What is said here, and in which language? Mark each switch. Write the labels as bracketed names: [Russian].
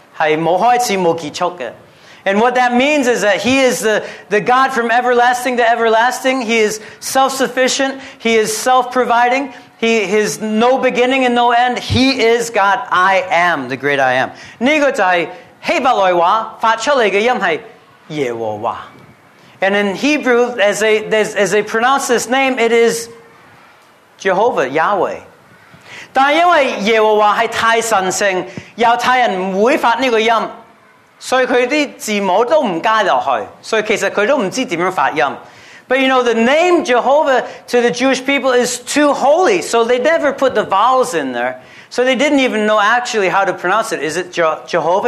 [Chinese] 我就是神,是创造者,是没开始没结束的. [English] And what that means is that He is the God from everlasting to everlasting. He is self-sufficient. He is self-providing. He has no beginning and no end. He is God. I am the great I am. [Chinese] 这个就是希伯来话发出来的音是耶和华. [English] And in Hebrew, as they pronounce this name, it is Jehovah, Yahweh. [Chinese] 但因为耶和华是太神圣，犹太人不会发这个音. 所以他的字母都不加进去，所以其实他都不知道怎么发音. [English] But you know, the name Jehovah to the Jewish people is too holy, so they never put the vowels in there. So they didn't even know actually how to pronounce it. Is it Jehovah?